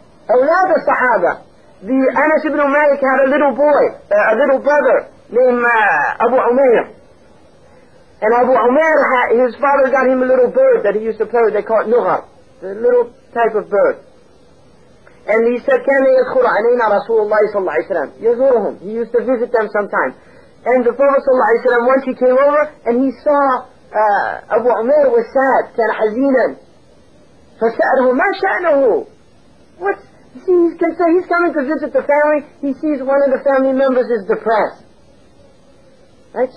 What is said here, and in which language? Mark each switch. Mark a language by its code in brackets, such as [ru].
[en] Awlad al-Sahaba. The Anas ibn Malik had a little boy, a little brother, named Abu Umair. And Abu Umair, his father got him a little bird that he used to play with. They call it Nughar, the little type of bird. [ar] And he said, كَانَ يَدْخُرْ عَلَيْنَا رَسُولُ اللَّهِ صَلَّى اللَّهِ عَلَيْهِ وَسَلَّمْ يَزُورُهُمْ. [en] He used to visit them sometime. And the Prophet صلى الله عليه وسلم, once he came over, and he saw Abu Umair was sad, كان حزيناً. [ar] فَسَأَلْهُ مَا شَأْنَهُ. What? [en] See, he's coming to visit the family, he sees one of the family members is depressed. Right?